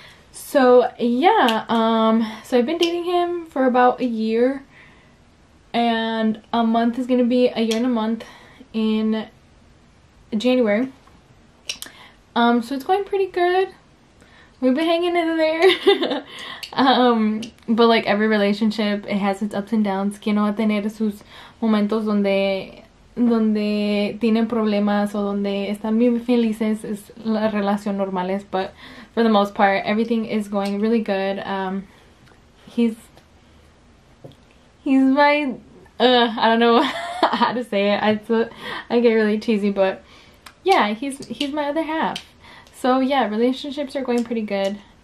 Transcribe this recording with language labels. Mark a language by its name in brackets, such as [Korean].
[English] So yeah, so I've been dating him for about a year, and a month is going to be a year and a month in January. So it's going pretty good. We've been hanging in there. But like every relationship, it has its ups and downs. [Spanish] Que no va a tener sus momentos donde tienen problemas o donde están muy felices. Es la relación normales. [English] But for the most part, everything is going really good. He's my, I don't know how to say it. I get really cheesy, but yeah, he's my other half. So yeah, relationships are going pretty good.